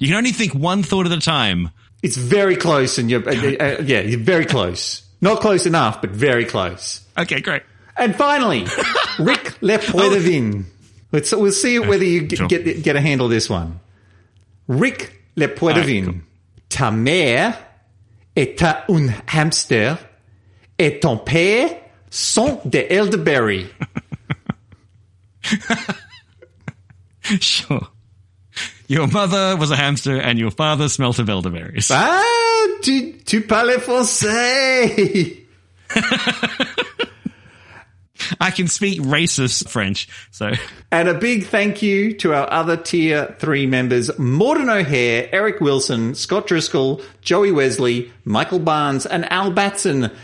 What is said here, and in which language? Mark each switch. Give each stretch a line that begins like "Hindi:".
English: You can only think one thought at a time. It's very close and you're very close. Not close enough, but very close. Okay, great. And finally, Rick Lepredevin. We'll see whether you get a handle this one. Rick Lepredevin. Right, cool.
French: Ta mère est un hamster et ton père sont des elderberry.
English: Sure. Your mother was a hamster and your father smelt of elderberries.
French: Ah, tu parles français.
English: I can speak racist French, so. And a big thank you to our other Tier 3 members, Morden O'Hare, Eric Wilson, Scott Driscoll, Joey Wesley, Michael Barnes, and Al Batson.